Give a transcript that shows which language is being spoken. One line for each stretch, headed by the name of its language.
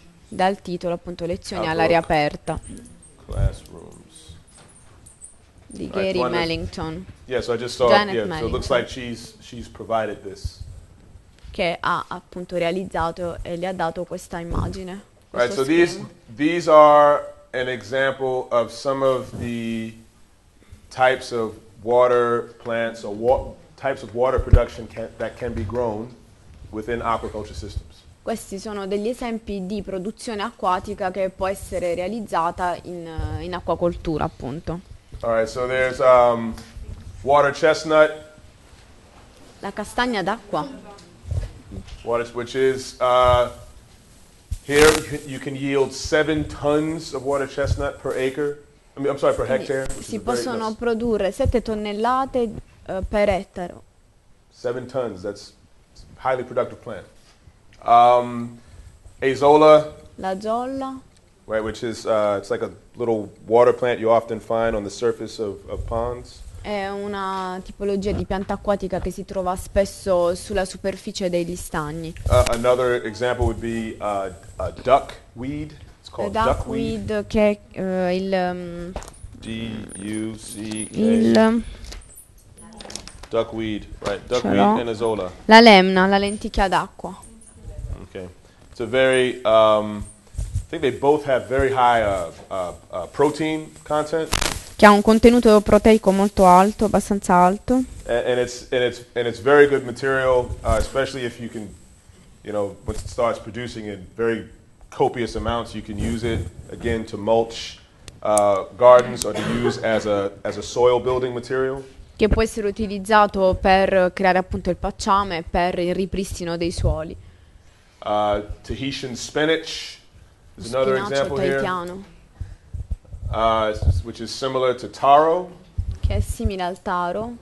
Italian: Dal titolo appunto Lezioni all'aria aperta.
English: Classrooms.
Italian: Di Gary right, Millington.
English: Yeah, so I just saw Janet Millington. So it looks like she's provided this.
Italian: Che ha appunto realizzato e gli ha dato questa immagine.
English: Right, so these are an example of some of the types of water plants or types of water production that can be grown within aquaculture systems.
Italian: Questi sono degli esempi di produzione acquatica che può essere realizzata in acquacoltura, appunto.
English: All right, so there's water chestnut.
Italian: La castagna d'acqua.
English: Water, which is here you can yield 7 tons of water chestnut per acre. Per hectare.
Italian: Si possono produrre 7 tonnellate per ettaro.
English: 7 tons. That's a highly productive plant. Azolla.
Italian: La zolla.
English: Right, which is it's like a little water plant you often find on the surface of ponds.
Italian: È una tipologia di pianta acquatica che si trova spesso sulla superficie degli stagni.
English: Another example would be a duck weed. It's called duckweed.
Italian: Che il
English: D-U-C-K.
Italian: Il
English: duckweed, right? Duckweed and azolla.
Italian: La lemna, la lenticchia d'acqua.
English: Okay, it's a very I think they both have very high protein content.
Italian: Che ha un contenuto proteico molto alto, abbastanza alto.
English: And it's very good material, especially if you can, you know, once it starts producing in very copious amounts, you can use it again to mulch gardens or to use as a soil building material.
Italian: che può essere utilizzato per creare appunto il pacciame per il ripristino dei suoli.
English: Tahitian spinach is another
Italian: Spinacio
English: example here,
Italian: tahitiano.
English: which is similar to taro.
Italian: Che è simile al taro.